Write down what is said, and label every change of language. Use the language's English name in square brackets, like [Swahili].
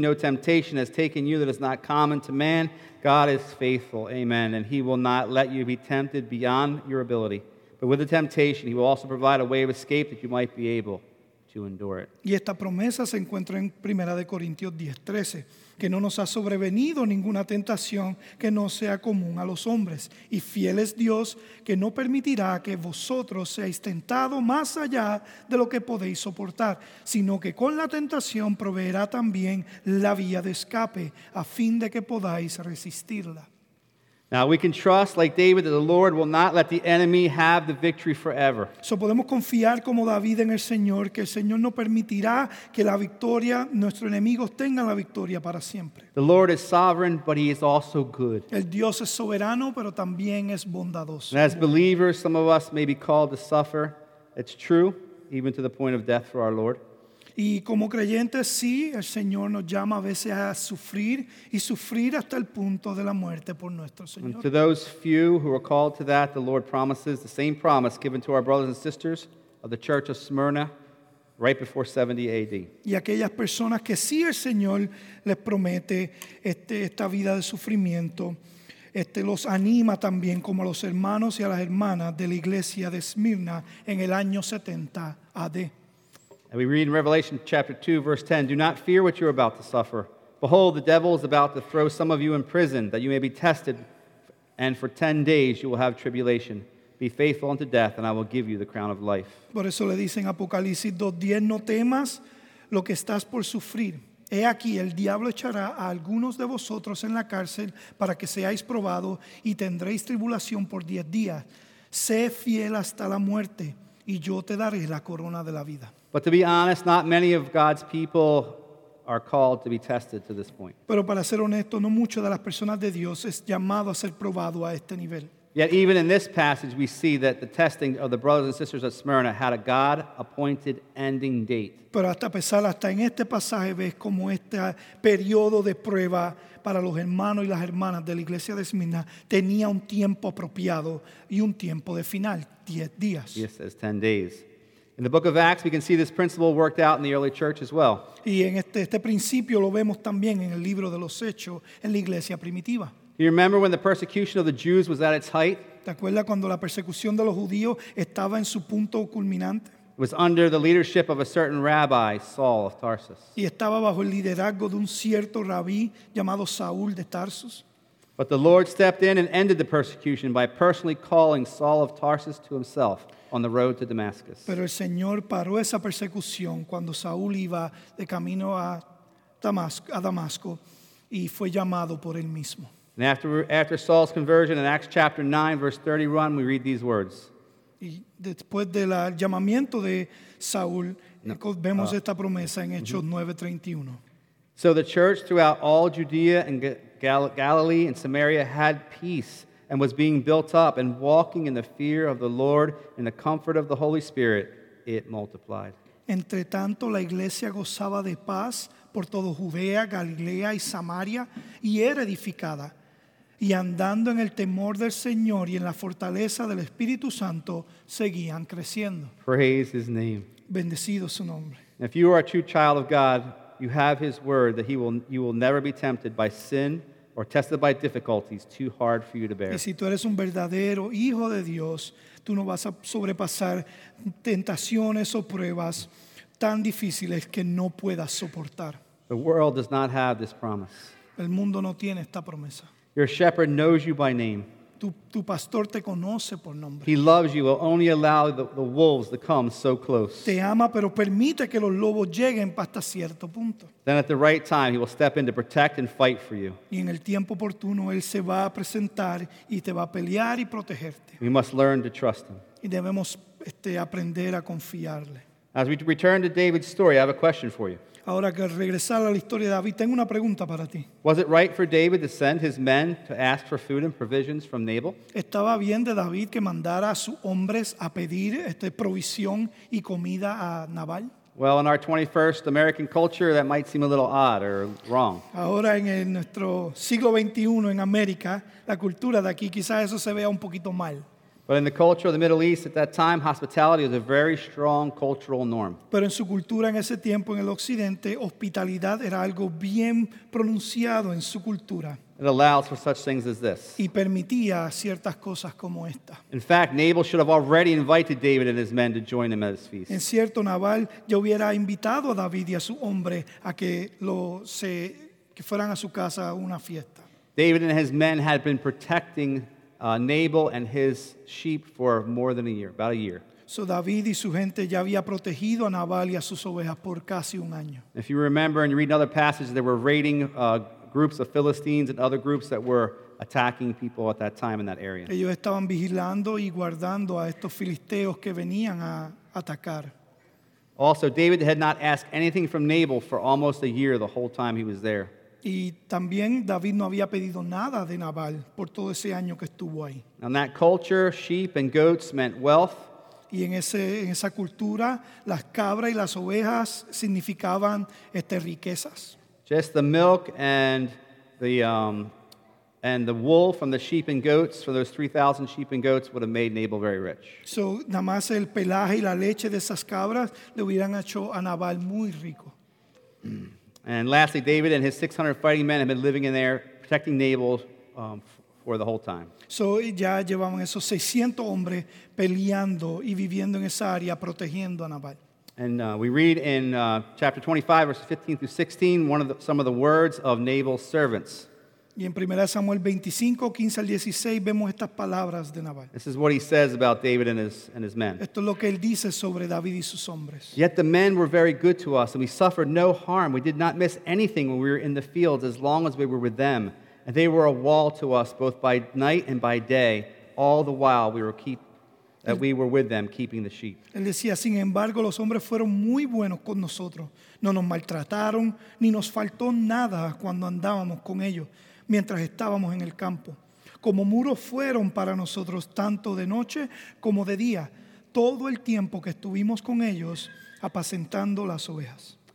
[English] No temptation has taken you that is not common to man. God is faithful. Amen. And He will not let you be tempted beyond your ability. But with the temptation, He will also provide a way of escape that you might be able to endure it. [Spanish] Y esta promesa se encuentra en 1 Corintios 10, 13. Que no nos ha sobrevenido ninguna tentación que no sea común a los hombres. Y fiel es Dios que no permitirá que vosotros seáis tentados más allá de lo que podéis soportar, sino que con la tentación proveerá también la vía de escape a fin de que podáis resistirla. [English] Now we can trust, like David, that the Lord will not let the enemy have the victory forever. [Spanish] So podemos confiar como David en el Señor, que el Señor no permitirá que la victoria, nuestros enemigos tengan la victoria para siempre. [English] The Lord is sovereign, but He is also good. [Spanish] El Dios es soberano, pero también es bondadoso. [English] And as believers, some of us may be called to suffer. It's true, even to the point of death for our Lord. [Spanish] Y como creyentes, sí, el Señor nos llama a veces a sufrir y sufrir hasta el punto de la muerte por nuestro Señor. [English] And to those few who are called to that, the Lord promises the same promise given to our brothers and sisters of the church of Smyrna right before 70 AD. [Spanish] Y aquellas personas que sí el Señor les promete esta vida de sufrimiento, los anima también como a los hermanos y a las hermanas de la iglesia de Smyrna en el año 70 AD. [English] And we read in Revelation chapter 2, verse 10, "Do not fear what you are about to suffer. Behold, the devil is about to throw some of you in prison, that you may be tested, and for 10 days you will have tribulation. Be faithful unto death, and I will give you the crown of life." [Spanish] Por eso le dicen Apocalipsis 2:10, "No temas lo que estás por sufrir. He aquí, el diablo echará a algunos de vosotros en la cárcel para que seáis probado, y tendréis tribulación por 10 días. Sé fiel hasta la muerte, y yo te daré la corona de la vida." [English] But to be honest, not many of God's people are called to be tested to this point. [Spanish] Pero para ser honesto, no mucho de las personas de Dios es llamado a ser probado a este nivel. [English] Yet even in this passage, we see that the testing of the brothers and sisters of Smyrna had a God-appointed ending date. [Spanish] Pero hasta en este pasaje ves como este periodo de prueba para los hermanos y las hermanas de la iglesia de Smyrna tenía un tiempo apropiado y un tiempo de final, 10 días. [English] Yes, it's 10 days. In the book of Acts, we can see this principle worked out in the early church as well. [Spanish] Y en este principio lo vemos también en el libro de los Hechos, en la iglesia primitiva. [English] Do you remember when the persecution of the Jews was at its height? [Spanish] ¿Te acuerdas cuando la persecución de los judíos estaba en su punto culminante? [English] It was under the leadership of a certain rabbi, Saul of Tarsus. [Spanish] Y estaba bajo el liderazgo de un cierto rabí llamado Saúl de Tarsus. [English] But the Lord stepped in and ended the persecution by personally calling Saul of Tarsus to himself on the road to Damascus. [Spanish] Pero el Señor paró esa persecución cuando Saúl iba de camino a Damasco y fue llamado por él mismo. [English] And after Saul's conversion in Acts chapter 9 verse 31 we read these words. [Spanish] Y después del llamamiento de Saúl vemos esta promesa en Hechos 9:31. [English] So the church throughout all Judea and Galilee and Samaria had peace and was being built up and walking in the fear of the Lord in the comfort of the Holy Spirit, it multiplied. [Spanish] Entre tanto, la iglesia gozaba de paz por todo Judea, Galilea y Samaria, y era edificada. Y andando en el temor del Señor y en la fortaleza del Espíritu Santo, seguían creciendo. [English] Praise His name. [Spanish] Bendecido su nombre. [English] If you are a true child of God, you have His word that you will never be tempted by sin, or tested by difficulties too hard for you to bear. [Spanish] Y si tú eres un verdadero hijo de Dios, tú no vas a sobrepasar tentaciones o pruebas tan difíciles que no puedas soportar. [English] The world does not have this promise. [Spanish] El mundo no tiene esta promesa. [English] Your shepherd knows you by name. [Spanish] Tu pastor te conoce por nombre. [English] He loves you, will only allow the wolves to come so close. [Spanish] Te ama, pero permite que los lobos lleguen hasta cierto punto. [English] Then at the right time, he will step in to protect and fight for you. [Spanish] Y en el tiempo oportuno, él se va a presentar y te va a pelear y protegerte. [English] We must learn to trust him. [Spanish] Y debemos aprender a confiarle. [English] As we return to David's story, I have a question for you. [Spanish] Ahora que regresar a la historia de David, tengo una pregunta para ti. [English] Was it right for David to send his men to ask for food and provisions from Nabal? [Spanish] ¿Estaba bien de David que mandara a sus hombres a pedir provisión y comida a Nabal? [English] Well, in our 21st American culture, that might seem a little odd or wrong. [Spanish] Ahora en nuestro siglo 21 en América, la cultura de aquí quizás eso se vea un poquito mal. [English] But in the culture of the Middle East at that time, hospitality was a very strong cultural norm. [Spanish] Pero en su cultura en ese tiempo en el occidente, hospitalidad era algo bien pronunciado en su cultura. [English] It allows for such things as this. [Spanish] Y permitía ciertas cosas como esta. [English] In fact, Nabal should have already invited David and his men to join him at his feast. [Spanish] En cierto, Nabal ya hubiera invitado a David y a su hombre a que que fueran a su casa a una fiesta. [English] David and his men had been protecting Nabal and his sheep for more than a year, about a year. [Spanish] So David y su gente ya había protegido a Nabal y a sus ovejas por casi un año. [English] If you remember and you read in other passages, there were raiding groups of Philistines and other groups that were attacking people at that time in that area. [Spanish] Ellos estaban vigilando y guardando a estos filisteos que venían a atacar. [English] Also, David had not asked anything from Nabal for almost a year the whole time he was there. [Spanish] Y también David no había pedido nada de Nabal por todo ese año que estuvo ahí. [English] In that culture, sheep and goats meant wealth. [Spanish] Y en esa cultura, las cabras y las ovejas significaban riquezas. [English] Just the milk and the wool from the sheep and goats, for those 3,000 sheep and goats, would have made Nabal very rich. [Spanish] So, nada más el pelaje y la leche de esas cabras le hubieran hecho a Nabal muy rico. [English] And lastly, David and his 600 fighting men had been living in there, protecting Nabal for the whole time. [Spanish] So ya llevaban esos 600 hombres peleando y viviendo en esa área, protegiendo a Nabal. [English] And we read in chapter 25, verses 15 through 16, some of the words of Nabal's servants. [Spanish] Y en 1 Samuel 25, 15 al 16, vemos estas palabras de Nabal. [English] This is what he says about David and his men. [Spanish] Esto es lo que él dice sobre David y sus hombres. [English] Yet the men were very good to us, and we suffered no harm. We did not miss anything when we were in the fields, as long as we were with them. And they were a wall to us, both by night and by day, all the while we were with them, keeping the sheep. [Spanish] Él decía, sin embargo, los hombres fueron muy buenos con nosotros. No nos maltrataron, ni nos faltó nada cuando andábamos con ellos. Mientras estábamos en el campo, como muros fueron para nosotros tanto de noche como de día, todo el tiempo que estuvimos con ellos apacentando las ovejas.